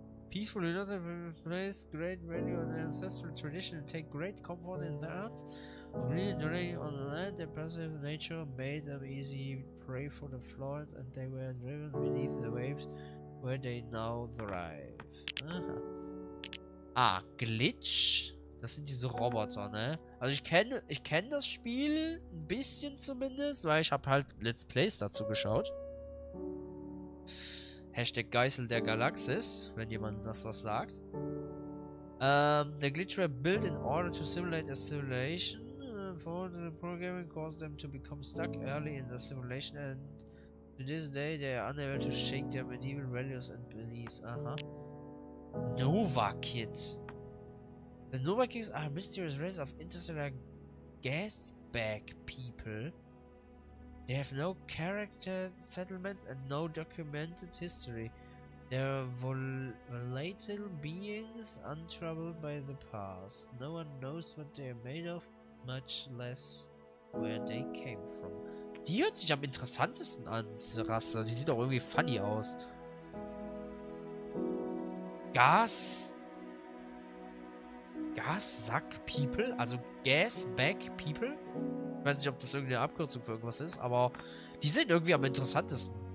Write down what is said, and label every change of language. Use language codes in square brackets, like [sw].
[en] Peaceful, place great value on ancestral tradition and take great comfort in the arts. Really dwelling on the land, impressive nature made them easy prey for the floods, and they were driven beneath the waves where they now thrive. [de] Aha. Ah, Glitch. Das sind diese Roboter, ne? Also ich kenne das Spiel ein bisschen zumindest, weil ich habe halt Let's Plays dazu geschaut. Hashtag Geißel der Galaxis, wenn jemand das was sagt. [en] The Glitch were built in order to simulate a simulation. The programming caused them to become stuck early in the simulation, and to this day they are unable to shake their medieval values and beliefs. Aha. Nova Kid. The Nova Kids are a mysterious race of interstellar gas bag people. They have no character settlements and no documented history. They are volatile beings untroubled by the past. No one knows what they are made of. Much less where they came from. [de] Die hört sich am interessantesten an, diese Rasse. Die sieht auch irgendwie funny aus. Gas-Sack-People? Also Gas-Bag-People? Ich weiß nicht, ob das irgendeine Abkürzung für irgendwas ist, aber die sind irgendwie am interessantesten.